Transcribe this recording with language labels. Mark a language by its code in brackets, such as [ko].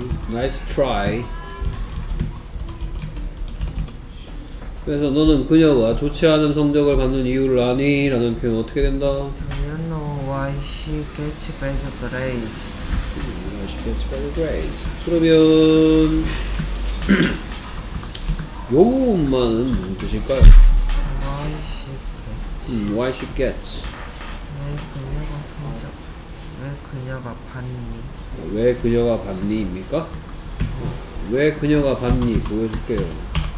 [en] 나이스 트라이. [ko] 그래서 너는 그녀가 좋지 않은 성적을 받는 이유를 아니? 라는 표현 어떻게 된다? [en] Do you know why she gets bad grades? Why she gets bad grades? [ko] 그러면 요 부분만은 무슨 뜻일까요? [en] Why she gets? Why she gets? [ko] 왜 그녀가 성적? 왜 그녀가 받니? 왜 그녀가 받니입니까? 왜 그녀가 봤니? 보여줄게요.